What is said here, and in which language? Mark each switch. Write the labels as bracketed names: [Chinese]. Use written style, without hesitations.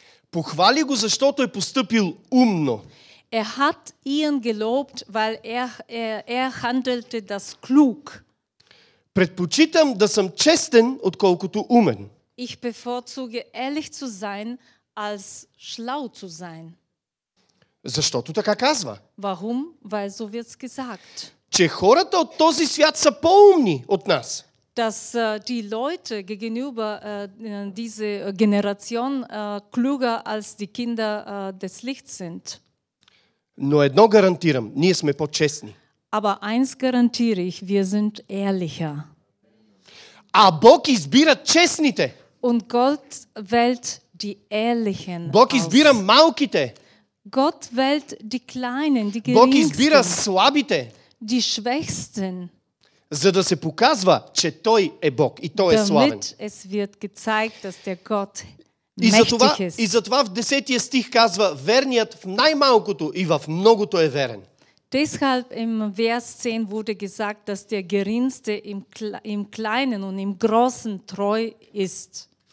[Bulgarian] Похвали го, защото е постъпил умно. [German] Er hat ihn gelobt, weil er handelte das klug. [Bulgarian] Предпочитам да съм честен, отколкото умен. [German] Ich bevorzuge ehrlich zu sein, als schlau zu sein. [Bulgarian] Защото така казва. [German] Warum? Weil so wird's gesagt. [Bulgarian] Че хората от този свят са по-умни от нас. [German] dass die Leute gegenüber diese Generation klüger als die Kinder des Lichts sind. [Bulgarian] Но едно гарантирам, ние сме по-честни. [German] Aber eins garantiere ich, wir sind ehrlicher. [Bulgarian] А Бог избира честните. [German] Und Gott wählt die Ehrlichen. [Bulgarian] Бог избира малките. [German] Gott wählt die Kleinen, die Geringsten. [Bulgarian] Бог избира слабите. [German] Die Schwächsten. [Bulgarian] За да се показва, че Той е Бог и Той е славен. [German] Damit es wird gezeigt, dass der Gott mächtig ist. [Bulgarian] И затова в 10-я стих казва, верният в най-малкото и в многото е верен. [German] Deshalb im Vers 10 wurde gesagt, dass der Geringste im Kleinen und im Großen treu ist.